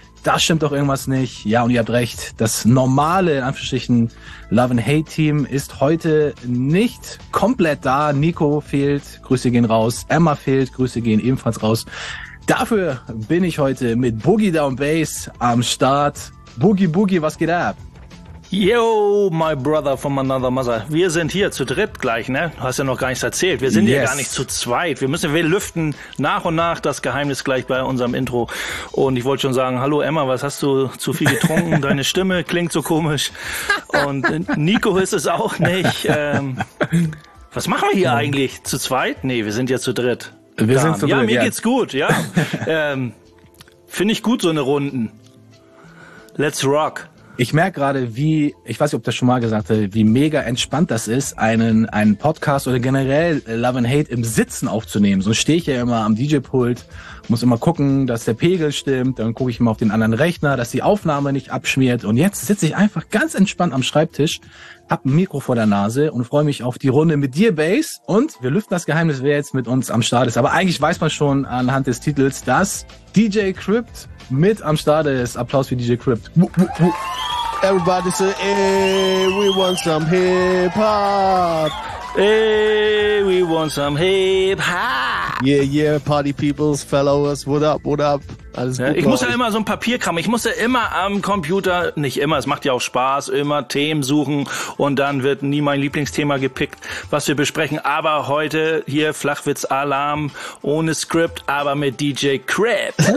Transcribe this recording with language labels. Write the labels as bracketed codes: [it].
[de] Da stimmt doch irgendwas nicht. Ja, und ihr habt recht. Das normale, in Anführungsstrichen, Love and Hate Team ist heute nicht komplett da. Nico fehlt. Grüße gehen raus. Emma fehlt. Grüße gehen ebenfalls raus. Dafür bin ich heute mit Boogie Down Bass am Start. Boogie Boogie, was geht ab? [en] Yo, my brother from another mother. [de] Wir sind hier zu dritt gleich, ne? Du hast ja noch gar nichts erzählt. Wir sind hier gar nicht zu zweit. Wir lüften nach und nach das Geheimnis gleich bei unserem Intro. Und ich wollte schon sagen, hallo Emma, was hast du zu viel getrunken? Deine Stimme klingt so komisch. Und Nico ist es auch nicht. Was machen wir hier eigentlich? Zu zweit? Nee, wir sind ja zu dritt. Wir sind zu dritt. Ja, mir geht's gut, ja. Finde ich gut, so eine Runden. [en] Let's rock. [de] Ich merke gerade, wie, ich weiß nicht, ob das schon mal gesagt hat, wie mega entspannt das ist, einen Podcast oder generell Love and Hate im Sitzen aufzunehmen. So stehe ich ja immer am DJ-Pult, muss immer gucken, dass der Pegel stimmt, dann gucke ich immer auf den anderen Rechner, dass die Aufnahme nicht abschmiert. Und jetzt sitze ich einfach ganz entspannt am Schreibtisch, hab ein Mikro vor der Nase und freue mich auf die Runde mit dir, Bass. Und wir lüften das Geheimnis, wer jetzt mit uns am Start ist. Aber eigentlich weiß man schon anhand des Titels, dass DJ Crypt mit am Start ist. Applaus für DJ Crypt. [en] Everybody say, hey, we want some hip-hop. Hey, we want some hip-hop. Yeah, yeah, party peoples, followers, what up? [de] Alles gut. Ich muss ja immer so ein Papierkram, ich muss ja immer am Computer, nicht immer, es macht ja auch Spaß, immer Themen suchen und dann wird nie mein Lieblingsthema gepickt, was wir besprechen. Aber heute hier Flachwitz-Alarm, ohne Skript, aber mit DJ Crypt.